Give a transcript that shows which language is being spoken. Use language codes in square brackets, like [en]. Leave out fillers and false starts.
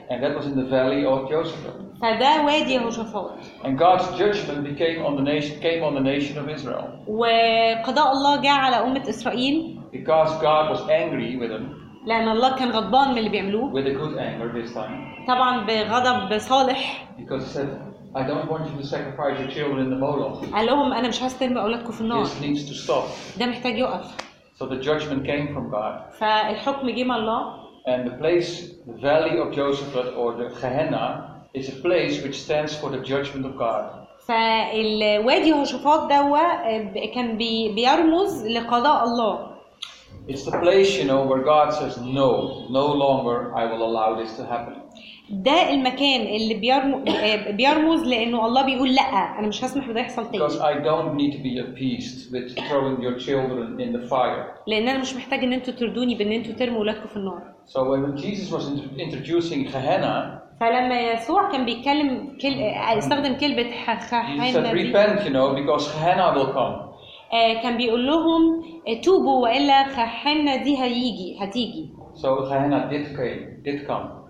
[en] And that was in the valley of Josaphat [ar] فده وادي يهوشافات [en] And God's judgment came on the nation of Israel [ar] وقضاء الله جاء على أمة إسرائيل [en] Because God was angry with them [ar] لأن الله كان غضبان من اللي بيعملوه [en] With a good anger this time [ar] طبعا بغضب صالح [en] Because he said I don't want you to sacrifice your children in the Moloch. [ar] قال لهم انا مش هسترمي اولادكم في النار. [en] This needs to stop. [ar] ده محتاج يقف. [en] So the judgment came from God. [ar] فالحكم جه من الله. [en] And the place, the valley of Josaphat or the Gehenna, is a place which stands for the judgment of God. [ar] فالوادي يهوشافاط دوا كان بيرمز لقضاء الله. [en] It's the place, you know, where God says, "No, no longer, I will allow this to happen." [ar] ده المكان اللي بيرمز لأنه الله بيقول لا أنا مش هسمح بده يحصل تاني. [en] Because I don't need to be appeased with throwing your children in the fire. [ar] لأن أنا مش محتاج إن أنتوا تردوني بإن أنتوا ترموا ولادكم في النار. [en] So when Jesus was introducing Gehenna. [ar] فلما يسوع كان بيتكلم استخدم كلمة [en] Gehenna. He said, "Repent, you know, because Gehenna will come." [ar] كان بيقول لهم توبوا والا خحنا دي هتيجي. [en] So خحنا did come.